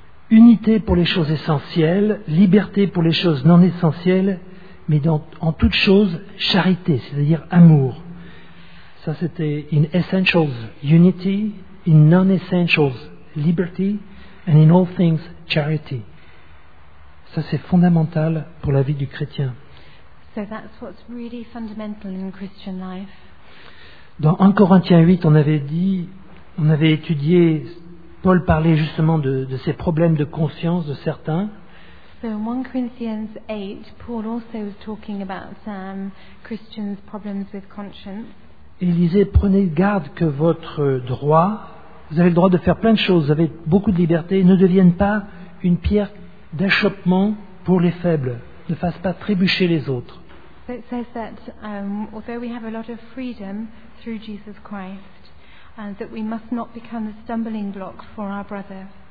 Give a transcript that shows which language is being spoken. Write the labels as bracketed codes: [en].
[fr] Unité pour les choses essentielles, liberté pour les choses non essentielles, mais en toute chose, charité, c'est-à-dire amour. Ça, c'était [en] in essentials, unity, in non-essentials, liberty, and in all things, charity. [fr] Ça, c'est fondamental pour la vie du chrétien. [en] So that's what's really fundamental in Christian life. [fr] Dans 1 Corinthiens 8, on avait étudié, Paul parlait justement de ces problèmes de conscience de certains. [en] So in 1 Corinthians 8, Paul also was talking about Christians' problems with conscience. [fr] il disait, prenez garde que votre droit, vous avez le droit de faire plein de choses, vous avez beaucoup de liberté, ne devienne pas une pierre d'achoppement pour les faibles, ne fasse pas trébucher les autres. [en] It says that although we have a lot of freedom through Jesus Christ, that we must not become the stumbling block for our brother.